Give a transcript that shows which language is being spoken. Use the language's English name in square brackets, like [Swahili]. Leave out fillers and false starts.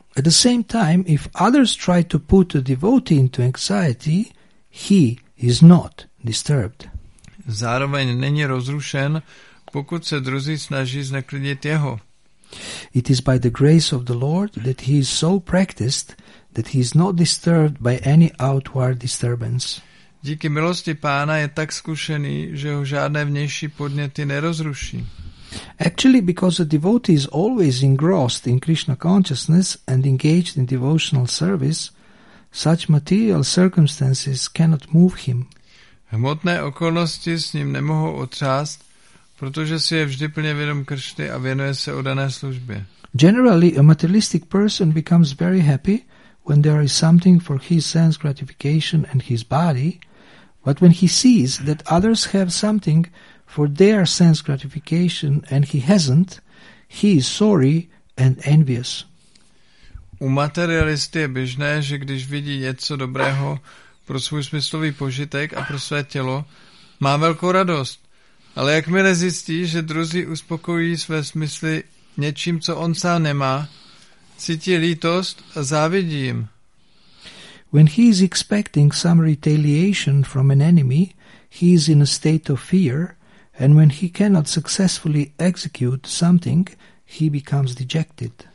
[English] At the same time, if others try to put a devotee into anxiety, he is not disturbed. [Czech] Zároveň není rozrušen, pokud se druzí snaží zneklidnit jeho. [English] It is by the grace of the Lord that he is so practiced that he is not disturbed by any outward disturbance. [Czech] Díky milosti pána je tak zkušený, že ho žádné vnější podněty nerozruší. [English] Actually, because a devotee is always engrossed in Krishna consciousness and engaged in devotional service, such material circumstances cannot move him. [Czech] Hmotné okolnosti s ním nemohou otřást, protože si je vždy plně vědom Kršny a věnuje se oddané službě. [English] Generally, a materialistic person becomes very happy when there is something for his sense gratification and his body, but when he sees that others have something for their sense gratification and he hasn't, he is sorry and envious. [Czech] U materialisty je běžné, že když vidí něco dobrého pro svůj smyslový požitek a pro své tělo, má velkou radost. Ale jakmile zjistí, že druzí uspokojí své smysly něčím, co on sám nemá, cítí lítost a závidí jim. [English] When he is expecting some retaliation from an enemy, he is in a state of fear, and when he cannot successfully execute something, he becomes dejected.